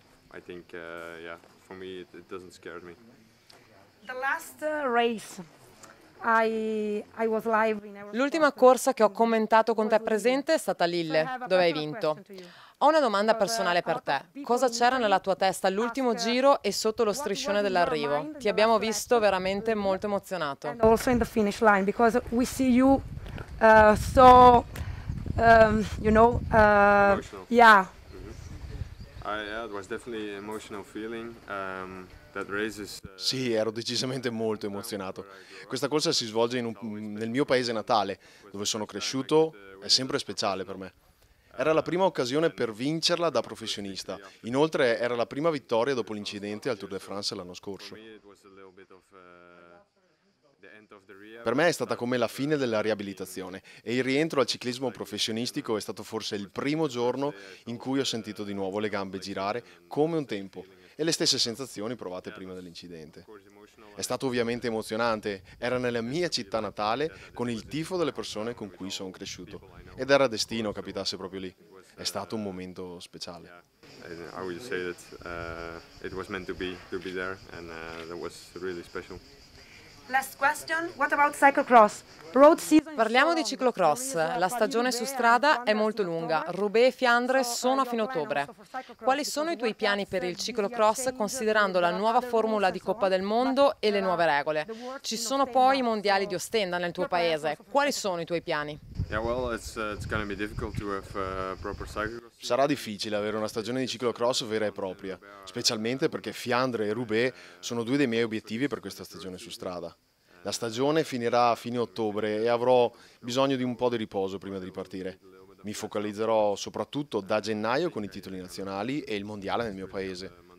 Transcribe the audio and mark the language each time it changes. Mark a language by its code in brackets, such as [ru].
[en] I think for me it doesn't scare me. The last race I was live in. [it] L'ultima corsa che ho commentato con te presente è stata Lille, dove hai vinto. Ho una domanda personale per te. Cosa c'era nella tua testa all'ultimo giro e sotto lo striscione dell'arrivo? Ti abbiamo visto veramente molto emozionato. [en] And also in the finish line, because we see you so you know yeah. It was definitely an emotional feeling. That race is, [it] sì, ero decisamente molto emozionato. Questa corsa si svolge nel mio paese natale, dove sono cresciuto, è sempre speciale per me. Era la prima occasione per vincerla da professionista. Inoltre, era la prima vittoria dopo l'incidente al Tour de France l'anno scorso. Per me è stata come la fine della riabilitazione e il rientro al ciclismo professionistico è stato forse il primo giorno in cui ho sentito di nuovo le gambe girare come un tempo e le stesse sensazioni provate prima dell'incidente. È stato ovviamente emozionante, era nella mia città natale con il tifo delle persone con cui sono cresciuto ed era destino capitasse proprio lì. È stato un momento speciale. [en] I would say that it was meant to be there, and that was really special. Last question, what about cyclocross? Road season. [it] Parliamo di ciclocross. La stagione su strada è molto lunga. Roubaix e Fiandre sono a fine ottobre. Quali sono i tuoi piani per il ciclocross considerando la nuova formula di Coppa del Mondo e le nuove regole? Ci sono poi i mondiali di Ostenda nel tuo paese. Quali sono i tuoi piani? [en] Yeah, well, it's gonna be difficult to have proper cyclocross. [it] Sarà difficile avere una stagione di ciclocross vera e propria, specialmente perché Fiandre e Roubaix sono due dei miei obiettivi per questa stagione su strada. La stagione finirà a fine ottobre e avrò bisogno di un po' di riposo prima di ripartire. Mi focalizzerò soprattutto da gennaio con i titoli nazionali e il mondiale nel mio paese.